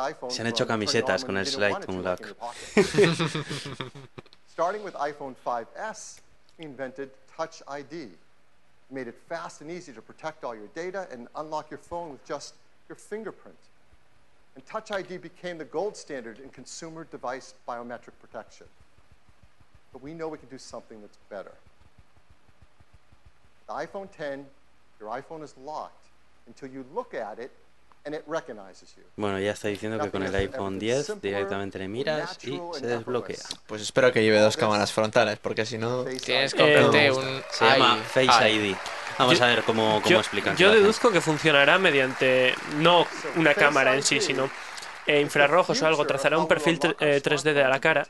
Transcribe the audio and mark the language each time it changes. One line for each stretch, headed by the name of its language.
Spanish: Se han hecho camisetas con el Slide to Unlock.
English: Starting with iPhone 5S, we invented Touch ID. Made it fast and easy to protect all your data and unlock your phone with just your fingerprint. And Touch ID became the gold standard in consumer device biometric protection. But we know we can do something that's better. The iPhone X, your iPhone is locked until you look at it and it recognizes you.
Spanish: Bueno, ya está diciendo que con el iPhone 10 directamente le miras y se desbloquea. Pues espero que lleve dos cámaras frontales, porque si no... Tienes que comprarte un... Se llama Face ID. Vamos a ver cómo, cómo explican. Yo deduzco que funcionará mediante, no una cámara en sí, sino infrarrojos o algo, trazará un perfil 3D de la cara,